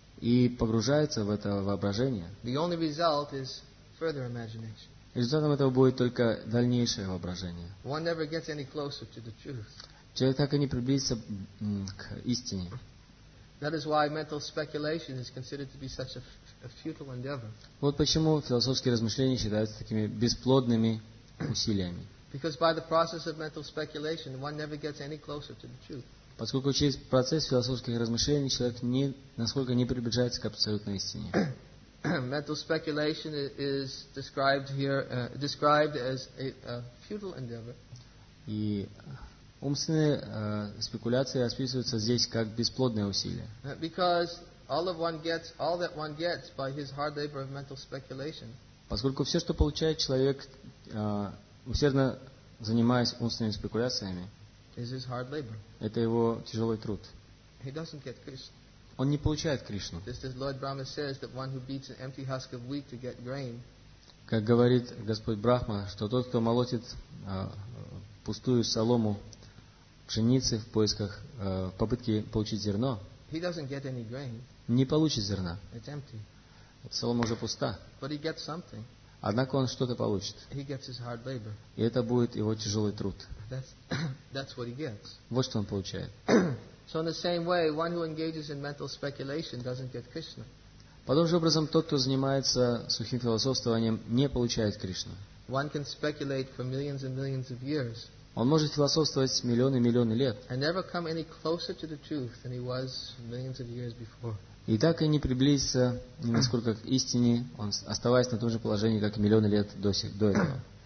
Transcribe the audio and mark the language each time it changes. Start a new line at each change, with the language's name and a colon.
Russian: и погружается в это воображение,
English: the only result is further imagination.
Russian: Результатом этого будет только дальнейшее воображение.
English: One never gets any closer to the truth.
Russian: Человек так и не приблизится к истине.
English: That is why mental speculation is considered to be such a futile endeavor.
Russian: Вот почему философские размышления считаются такими бесплодными усилиями.
English: Because by the process of mental speculation, one never gets any closer to the truth.
Russian: Поскольку через процесс философских размышлений человек не, насколько не приближается к абсолютной истине.
English: Mental speculation is described here, described as a futile endeavor.
Russian: И умственные спекуляции описываются здесь как бесплодные усилия.
English: Because all that one gets by his hard labor of mental speculation.
Russian: Поскольку все, что получает человек, усердно занимаясь умственными спекуляциями,
English: is his hard labor.
Russian: Это его тяжелый труд.
English: He doesn't get Krishna.
Russian: Он не получает Кришну.
English: Just as Lord Brahma says that one who beats an empty husk of wheat to get grain.
Russian: Как говорит Господь Брахма, что тот, кто молотит пустую солому пшеницы в поисках попытки получить зерно,
English: he doesn't get any grain.
Russian: Не получит зерна.
English: It's empty.
Russian: Солома уже пуста.
English: But he gets something.
Russian: Однако он что-то получит.
English: He gets his hard labor.
Russian: И это будет его тяжелый труд.
English: That's what he gets.
Russian: Вот что он получает.
English: So in the same way, one who engages in mental speculation doesn't get Krishna.
Russian: Подобным же образом, тот, кто занимается сухим философствованием, не получает Кришну.
English: One can speculate for millions and millions of years.
Russian: Он может философствовать миллионы и миллионы лет.
English: And never come any closer to the truth than he was millions of years before.
Russian: И так и не приблизиться ни насколько к истине, он оставаясь на том же положении, как и миллионы лет до этого.